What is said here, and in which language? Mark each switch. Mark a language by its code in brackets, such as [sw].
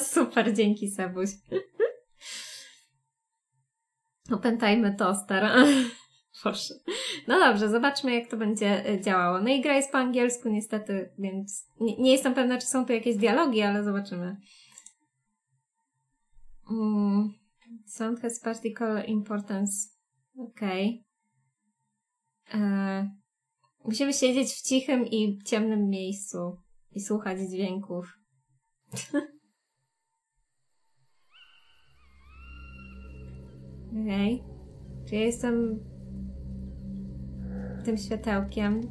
[pl] Super, dzięki, Sebuś. Opętajmy toster. Proszę. No dobrze, zobaczmy, jak to będzie działało. No i gra jest po angielsku niestety, więc nie jestem pewna, czy są tu jakieś dialogi, ale zobaczymy. [en] Sound has particular importance. [pl] Okej. Musimy siedzieć w cichym i ciemnym miejscu i słuchać dźwięków. Okej. Czy ja jestem tym światełkiem?